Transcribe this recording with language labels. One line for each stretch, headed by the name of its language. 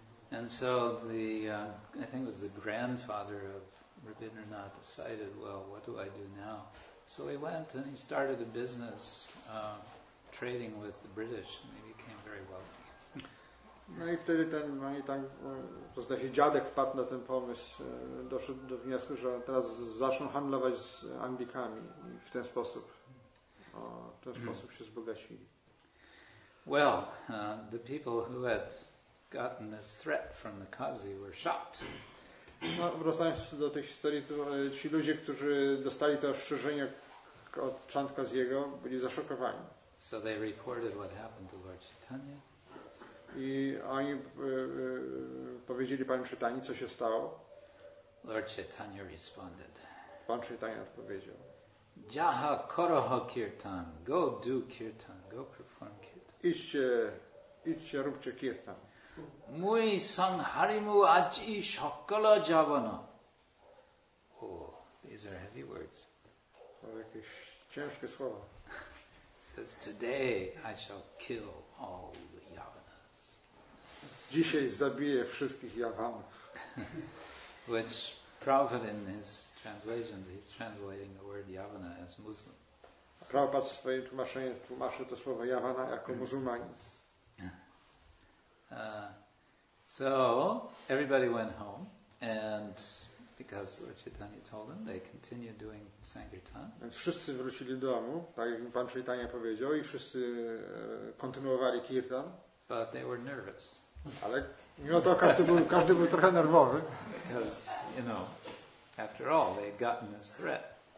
English: And so the I think it was the grandfather of Rabindranath decided, well, what do I do now? So he went and he started a business trading with the British, and he became very wealthy.
Polish: No i wtedy ten dziadek wpadł na ten pomysł, doszedł do wniosku, że teraz zaczną handlować z Anglikami i w ten sposób. W ten sposób się zbogacili.
English: Well, the people who had gotten this threat from the Qazi were shocked.
Polish: No, wracając do tej historii, to ci ludzie, którzy dostali to ostrzeżenie od Chand Qaziego, byli zaszokowani.
English: So they reported what happened to Lord Chaitanya.
Polish: I oni powiedzieli Panu Chaitanyi, co się stało.
English: Lord Chaitanya responded.
Polish: Pan Chaitanya odpowiedział.
Bangla: Jaha koroha
English: kirtan, go do kirtan, go perform kirtan.
Polish: Idźcie, róbcie kirtan.
Bangla: Mój sangharimu aji shakala javana.
English: Oh, these are heavy words.
Polish: To jakieś ciężkie słowa.
English: So says, today I shall kill all the yavanas.
Polish: Dzisiaj zabiję wszystkich jawanów.
English: Which Prabhupada in his translations, he's translating the word yavana as Muslim.
Polish: Prabhupada w swoim tłumaczeniu tłumaczy to słowo yavana jako muzułmanin.
English: So everybody went home, and because Lord Chaitanya told them, they continued doing sankirtan.
Polish: Wszyscy wrócili do domu, tak jak pan Chaitanya powiedział, i wszyscy kontynuowali kirtan.
English: But they were nervous.
Polish: Ale mimo to każdy był trochę nerwowy.
English: Because, you know, after all, they had gotten this threat.